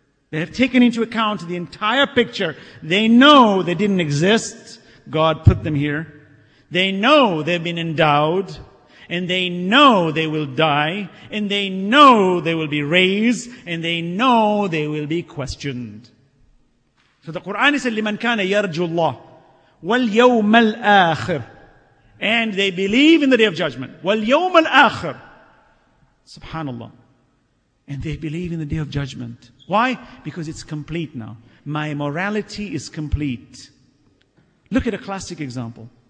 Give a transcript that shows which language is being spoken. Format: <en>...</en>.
<en>They have taken into account the entire picture. They know they didn't exist. God put them here. They know they've been endowed. And they know they will die. And they know they will be raised. And they know they will be questioned. So the Quran is said,</en> <ar>لِمَنْ كَانَ يَرْجُ اللَّهِ وَالْيَوْمَ الْآخِرِ.</ar> <en>And they believe in the day of judgment.</en> <ar>وَالْيَوْمَ الْآخِرِ. Subhanallah.</ar> <en>And they believe in the day of judgment. Why? Because it's complete now. My morality is complete. Look at a classic example.</en>